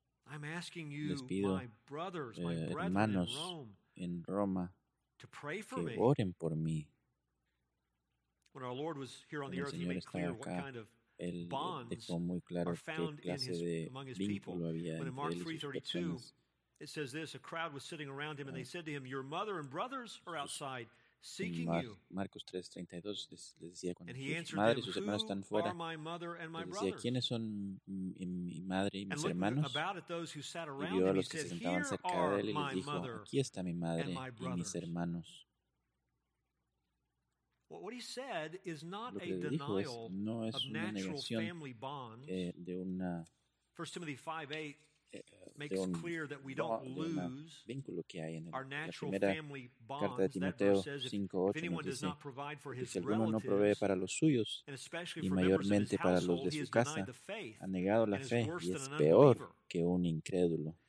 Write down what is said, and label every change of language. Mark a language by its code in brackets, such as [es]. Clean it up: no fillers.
[es] Les pido, hermanos en Roma, que oren por mí. Cuando el Señor estaba acá, Él dejó muy claro qué clase de vínculo había entre él y sus personas. [en] It says this, a crowd was sitting around him, and they said to him, your mother and brothers are outside seeking you. [es] Marcos 3:32 les decía, cuando su madre y sus hermanos están fuera, les decía, ¿quiénes son mi madre y mis hermanos? Y vio a los que se sentaban cerca de él y les dijo, aquí está mi madre y mis hermanos. [en] What he said is not a denial of natural family bonds. 1 Timothy 5:8 makes clear that we don't lose our natural family bonds. That verse says, if anyone does not provide for his relatives, and especially for members of his household, he has denied the faith, and is worse than an unbeliever.